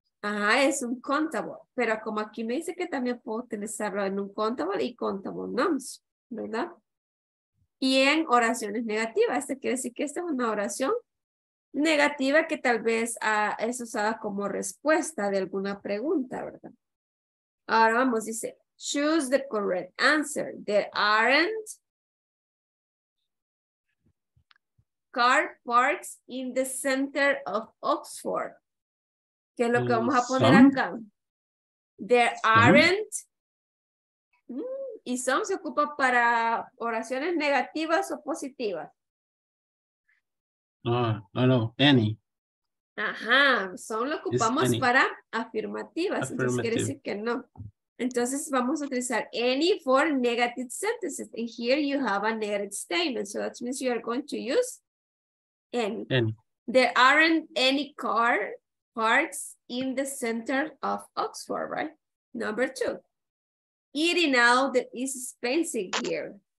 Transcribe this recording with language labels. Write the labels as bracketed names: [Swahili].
[Spanish] Ajá, es un countable, pero como aquí me dice que también puedo utilizarlo en un countable y countable nouns, ¿verdad? Y en oraciones negativas, esto quiere decir que esta es una oración negativa que tal vez es usada como respuesta de alguna pregunta, ¿verdad? Ahora vamos, dice, [English] choose the correct answer. There aren't car parks in the center of Oxford. [Spanish] ¿Qué es lo que vamos a poner acá? [English] There aren't. [Spanish] ¿Y some se ocupa para oraciones negativas o positivas? [English] No, any. [Spanish] Ajá, some lo ocupamos para afirmativas, entonces quiere decir que no. Entonces vamos a utilizar [English] any for negative sentences. And here you have a negative statement, so that means you are going to use any. There aren't any car parks in the center of Oxford, right? Number two. Eating out is expensive here.